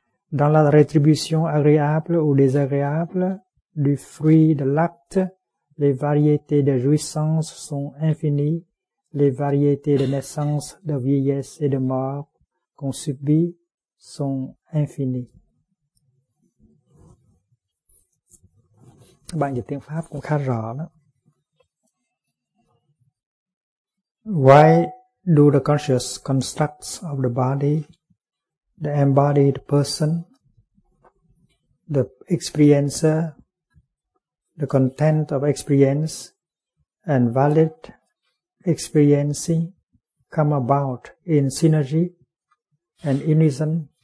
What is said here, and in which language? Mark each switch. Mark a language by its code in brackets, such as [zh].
[fr] Dans la rétribution agréable ou désagréable du fruit de l'acte, les variétés de jouissance sont infinies. Les variétés de naissance, de vieillesse et de mort qu'on subit sont infinis. [vi] Bạn dịch tiếng Pháp cũng khá rõ đó. [en] Why do the conscious constructs of the body, the embodied person, the experiencer, the content of experience, and valid experiencing come about in synergy and unison?